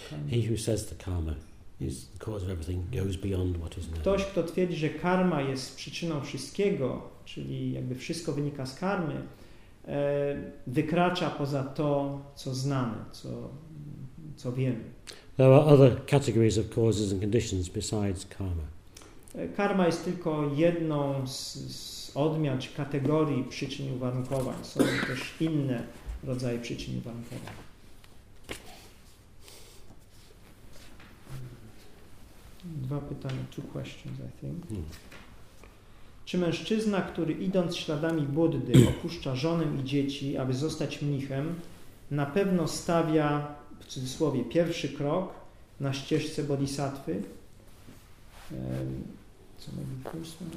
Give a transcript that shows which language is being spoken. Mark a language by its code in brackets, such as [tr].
[en] he who says the karma is the cause of everything goes beyond what is known. [pl] Ktoś, kto twierdzi, że karma jest przyczyną wszystkiego, czyli jakby wszystko wynika z karmy, wykracza poza to, co znamy, co wiemy. [en] There are other categories of causes and conditions besides karma. [pl] Karma jest tylko jedną z odmian czy kategorii przyczyn uwarunkowań. Są też inne rodzaje przyczyn uwarunkowań. Dwa pytania, [en] two questions, I think. [pl] Czy mężczyzna, który idąc śladami Buddy opuszcza żonę i dzieci, aby zostać mnichem, na pewno stawia, w cudzysłowie, pierwszy krok na ścieżce bodhisattwy? [en] Co maybe first one?